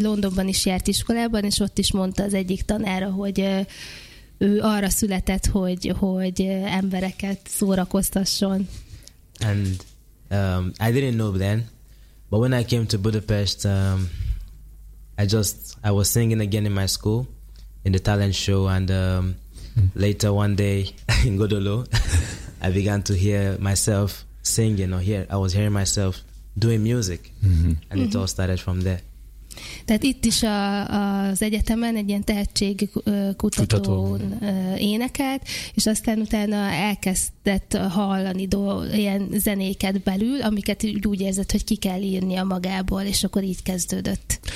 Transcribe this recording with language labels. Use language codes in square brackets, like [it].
[hu] Londonban is járt iskolában, és ott is mondta az egyik tanára, hogy ő arra született, hogy embereket szórakoztasson. [en] And I didn't know then, but when I came to Budapest... I was singing again in my school, in the talent show, and later one day in Godolo, I began to hear myself singing, or hear, I was hearing myself doing music, mm-hmm. and mm-hmm. it all started from there. [hu] Tehát itt is az egyetemen egy ilyen tehetségkutatón énekelt, és aztán utána elkezdett hallani ilyen zenéket belül, amiket úgy érzett, hogy ki kell írni a magából, és akkor így kezdődött.